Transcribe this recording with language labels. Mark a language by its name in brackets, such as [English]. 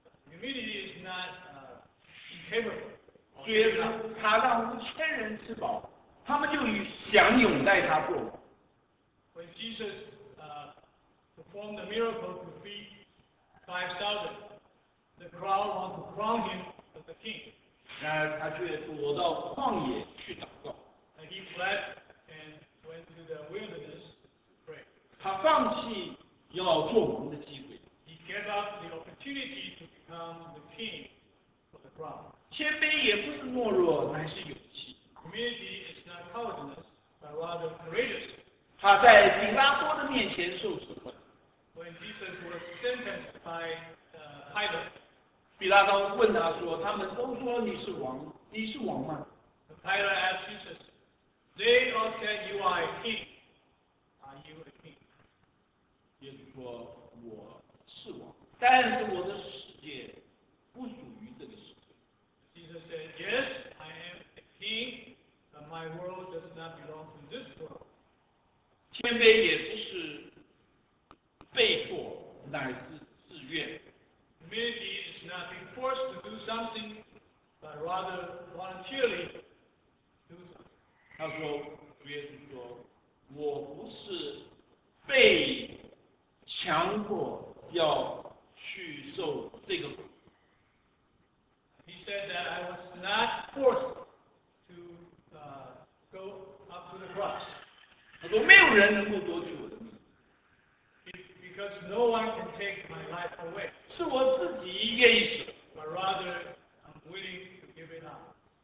[English] Humility is not incapable. [Chinese] 主耶稣他让五千人吃饱，他们就想拥戴他做王。 [English] When Jesus performed the miracle to feed5,000, the crowd want to crown him as the king. [Chinese] 然而他却躲到旷野去祷告。 [English] And he fled and went to the wilderness to pray. [Chinese] 他放弃要做王的机会。 [English] He gave up the opportunity to become the king for the crown. [Chinese] 谦卑也不是懦弱，乃是勇气。 [English] Humility is not cowardice, but rather courageous. [Chinese] 他在比拉多的面前受审问。 [English] When Jesus was sentenced by Pilate, [Chinese] 比拉多问他说：“他们都说你是王，你是王吗？” [English] Pilate asked Jesus, "They all said you are a king. Are you a king?" [Chinese] 耶稣说：“我是王，但是我的世界不属于这个世界。” [English] Jesus said, "Yes, I am a king, but my world does not belong to this world." [Chinese] 谦卑也不是。被迫乃是自愿。 [English] Humility is not being forced to do something, but rather voluntarily do something. [Chinese] 他说，主耶稣说，我不是被强迫要去受这个苦。 [English] He said that I was not forced to go up to the cross. [Chinese] 他说，没有人能够夺取我的。 [English] Because no one can take my life away. [Chinese] 是我自己愿意死。 [English] But rather, I'm willing to give it up.